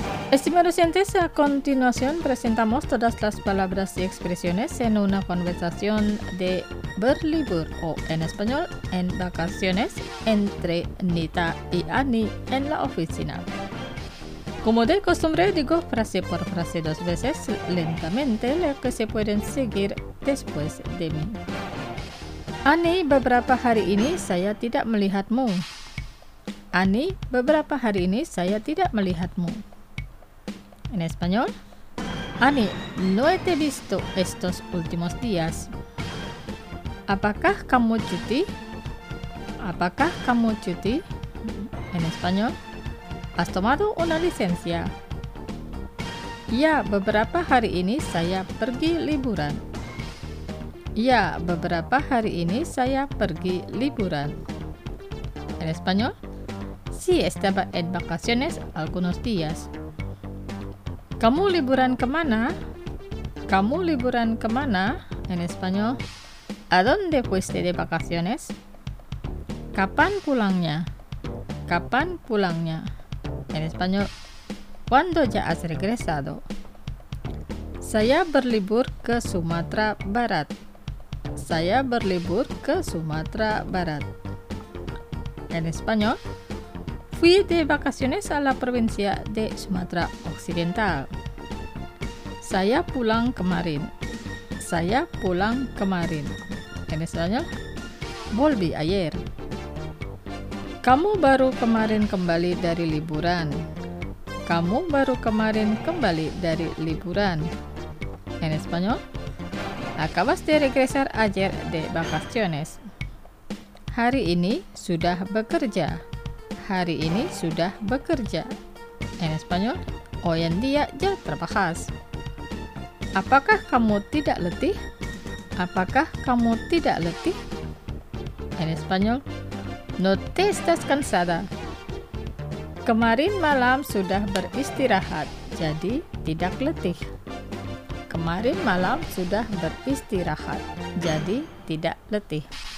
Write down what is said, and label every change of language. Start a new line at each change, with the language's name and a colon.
Spanish: Estimados oyentes, a continuación presentamos todas las palabras y expresiones en una conversación de Berlibur o en español, en vacaciones, entre Nita y Ani en la oficina. Como de costumbre, digo frase por frase dos veces, lentamente, lo que se pueden seguir después de mí.
Indonesian: Ani, beberapa hari ini saya tidak melihatmu. Ani, beberapa hari ini saya tidak melihatmu.
Spanish: En español, Ani, no te he visto estos últimos días.
Indonesian: ¿Apakah kamu cuti? ¿Apakah kamu cuti?
Spanish: En español, ¿has tomado una licencia?
Indonesian: Ya, beberapa hari ini saya pergi liburan. Ya, beberapa hari ini saya pergi liburan.
Spanish: En español, sí, estaba en vacaciones algunos días.
Indonesian: Kamu liburan kemana? Kamu liburan kemana?
Spanish: En español, ¿a dónde fuiste de vacaciones?
Indonesian: Kapan pulangnya? Kapan pulangnya?
Spanish: En español, ¿cuándo ya has regresado?
Indonesian: Saya berlibur ke Sumatera Barat. Saya berlibur ke Sumatera Barat.
Spanish: En español, fui de vacaciones a la provincia de Sumatera Occidental.
Indonesian: Saya pulang kemarin. Saya pulang kemarin.
Spanish: En español, volví ayer.
Indonesian: Kamu baru kemarin kembali dari liburan. Kamu baru kemarin kembali dari liburan.
Spanish: En español, acabas de regresar ayer de vacaciones.
Indonesian: Hari ini sudah bekerja. Hari ini sudah bekerja.
Spanish: En español, hoy en día ya trabajas.
Indonesian: Apakah kamu tidak letih? Apakah kamu tidak letih?
Spanish: En español, no te estás cansada.
Indonesian: Kemarin malam sudah beristirahat, jadi tidak letih. Kemarin malam sudah beristirahat, jadi tidak letih.